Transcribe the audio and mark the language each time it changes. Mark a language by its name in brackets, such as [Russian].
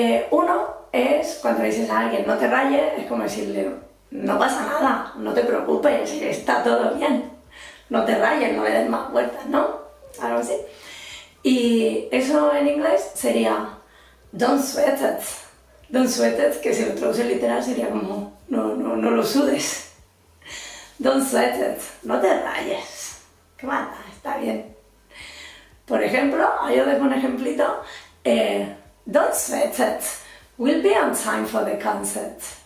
[Spanish] Uno es cuando dices a alguien no te rayes, es como decirle no pasa nada, no te preocupes, está todo bien, no te rayes, no le des más vueltas, ¿no? Algo así. Y eso en inglés sería [English] don't sweat it. Don't sweat it, [Spanish] que si lo traduce literal sería como no lo sudes. [English] Don't sweat it, [Spanish] no te rayes. Qué mala, está bien. Por ejemplo, ahí os dejo un ejemplito. [English] Don't sweat it, we'll be on time for the concert.